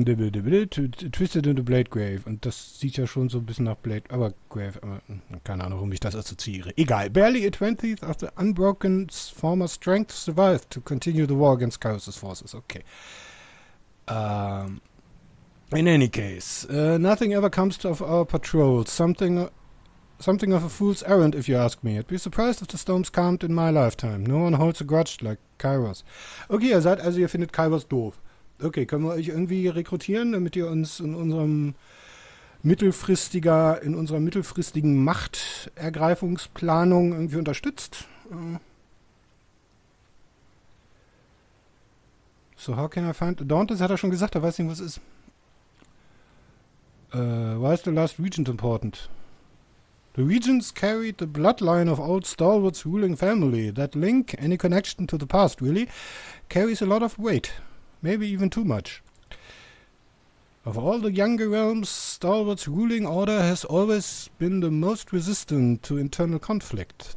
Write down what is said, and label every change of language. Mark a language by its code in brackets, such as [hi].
[en] Twisted into Blade Grave. [de] Und das sieht ja schon so ein bisschen nach Blade... Aber Grave... keine Ahnung, warum ich das assoziiere. Egal. [en] Barely a 20th of the Unbroken's former strength survived to continue the war against Chaos's forces. Okay. In any case. Nothing ever comes to our patrols. Something of a fool's errand, if you ask me. I'd be surprised if the storms calmed in my lifetime. No one holds a grudge like Kairos. [de] Okay, ihr seid... Also ihr findet Kairos doof. Okay, können wir euch irgendwie rekrutieren, damit ihr uns in unserer mittelfristigen Machtergreifungsplanung irgendwie unterstützt? [en] So, how can I find Dauntless? [de] Hat er schon gesagt, er weiß nicht, was ist. [en] Why is the last regent important? The regents carried the bloodline of old Stalwart's ruling family. That link, any connection to the past, really, carries a lot of weight. Maybe even too much. Of all the younger realms, Stalwart's ruling order has always been the most resistant to internal conflict.